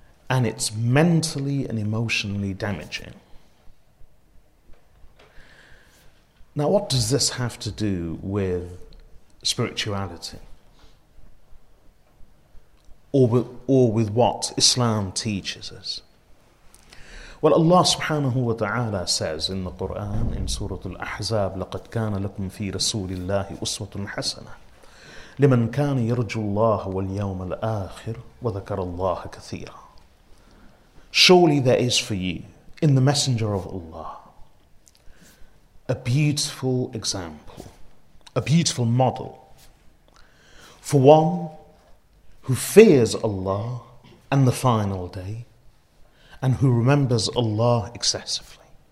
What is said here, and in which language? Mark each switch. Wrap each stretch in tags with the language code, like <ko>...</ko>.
<en>And it's mentally and emotionally damaging. Now, what does this have to do with spirituality, or with what Islam teaches us? Well, Allah subhanahu wa ta'ala says in the Quran, in Surah Al-Ahzab,</en> <ar>لَقَدْ كَانَ لَكُمْ فِي رَسُولِ اللَّهِ أُسْوَةٌ حَسَنَةٌ لِمَنْ كَانَ يَرْجُ اللَّهَ وَالْيَوْمَ الْآخِرِ وَذَكَرَ اللَّهَ كَثِيرًا.</ar> <en>Surely there is for you, in the Messenger of Allah, a beautiful example, a beautiful model for one who fears Allah and the final day and who remembers Allah excessively.</en>